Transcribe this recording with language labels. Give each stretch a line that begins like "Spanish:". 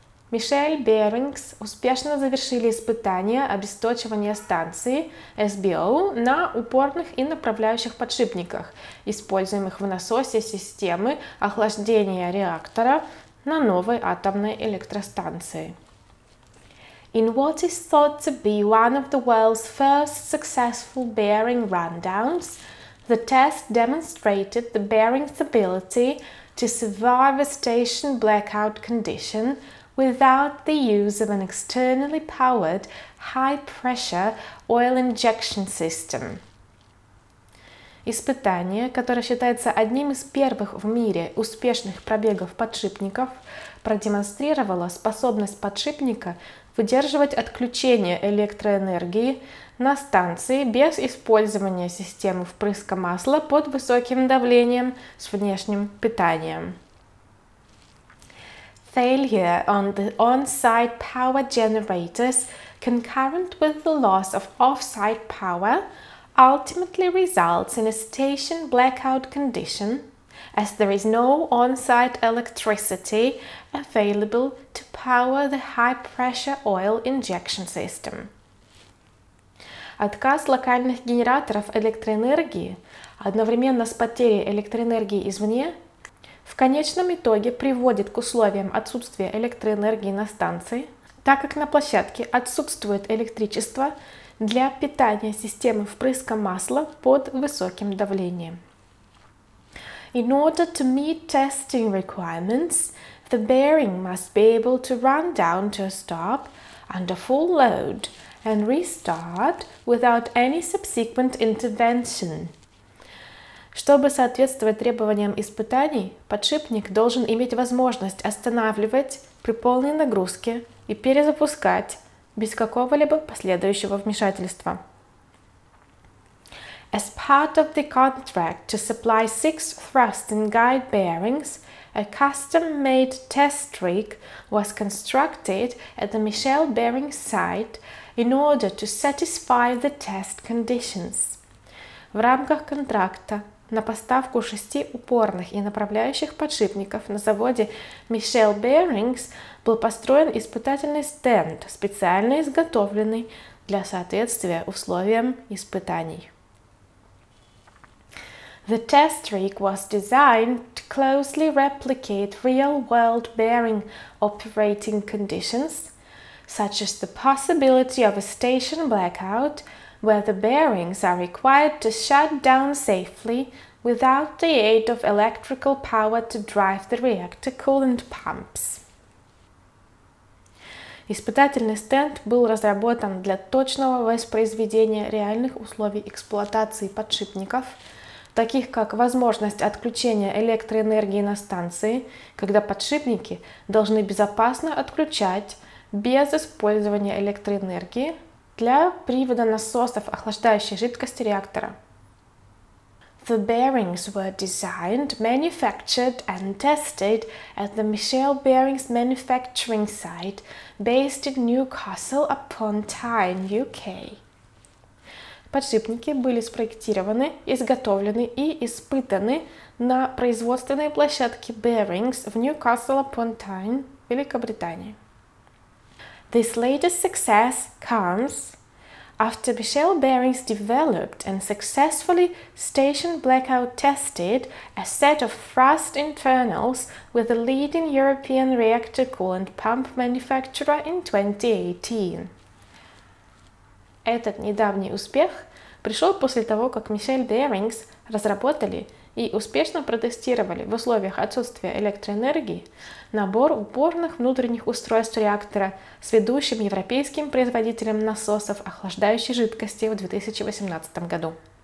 Russian: Michelle Bearings успешно завершили испытания обесточивания станции SBO на упорных и направляющих подшипниках, используемых в насосе системы охлаждения реактора на новой атомной электростанции.
English: In what is thought to be one of the world's first successful bearing rundowns, the test demonstrated the bearing's ability to survive a station blackout condition without the use of an externally powered high-pressure oil injection system.
Russian: Испытание, которое считается одним из первых в мире успешных пробегов подшипников, продемонстрировало способность подшипника выдерживать отключение электроэнергии на станции без использования системы впрыска масла под высоким давлением с внешним питанием.
English: Failure on the on-site power generators concurrent with the loss of off-site power ultimately results in a station blackout condition as there is no on-site electricity available to power the high-pressure oil injection system.
Russian: Отказ локальных генераторов электроэнергии одновременно с потерей электроэнергии извне в конечном итоге приводит к условиям отсутствия электроэнергии на станции, так как на площадке отсутствует электричество для питания системы впрыска масла под высоким давлением.
English: In order to meet testing requirements, the bearing must be able to run down to a stop under full load and restart without any subsequent intervention.
Russian: Чтобы соответствовать требованиям испытаний, подшипник должен иметь возможность останавливать при полной нагрузке и перезапускать без какого-либо последующего вмешательства.
English: As part of the contract to supply 6 thrust and guide bearings, a custom-made test rig was constructed at the Michel bearing site in order to satisfy the test conditions.
Russian: В рамках контракта на поставку 6 упорных и направляющих подшипников на заводе Michel Bearings был построен испытательный стенд, специально изготовленный для соответствия условиям испытаний.
English: The test rig was designed to closely replicate real-world bearing operating conditions, such as the possibility of a station blackout, where the bearings are required to shut down safely without the aid of electrical power to drive the reactor coolant pumps.
Russian: Испытательный стенд был разработан для точного воспроизведения реальных условий эксплуатации подшипников, таких как возможность отключения электроэнергии на станции, когда подшипники должны безопасно отключать без использования электроэнергии для привода насосов охлаждающей жидкости реактора.
English: The bearings were designed, manufactured and tested at the Michel Bearings manufacturing site based in Newcastle upon Tyne, UK.
Russian: Подшипники были спроектированы, изготовлены и испытаны на производственной площадке Bearings в Newcastle-upon-Tyne, Великобритании.
English: This latest success comes after Michel Bearings developed and successfully station blackout tested a set of thrust internals with a leading European reactor coolant pump manufacturer in 2018.
Russian: Этот недавний успех пришел после того, как Michel Bearings разработали и успешно протестировали в условиях отсутствия электроэнергии набор упорных внутренних устройств реактора с ведущим европейским производителем насосов охлаждающей жидкости в 2018 году.